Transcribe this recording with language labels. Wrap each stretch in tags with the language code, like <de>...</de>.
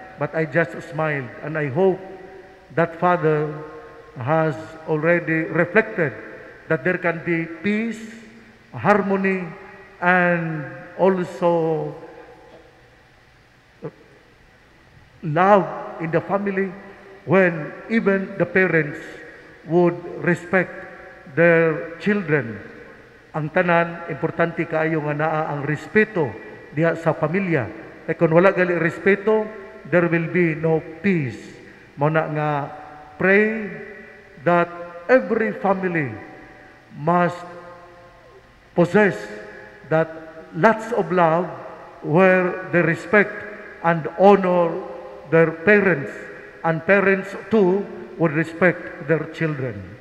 <en>But I just smiled and I hope that father has already reflected that there can be peace, harmony, and also love in the family when even the parents would respect their children.</en> <ceb>Ang tanan, importante kaayo nga naa ang respeto diha sa pamilya. E kung wala gali respeto,</ceb> <en>there will be no peace.</en> <ceb>Muna nga,</ceb> <en>pray that every family must possess that lots of love where they respect and honor their parents, and parents too would respect their children.</en>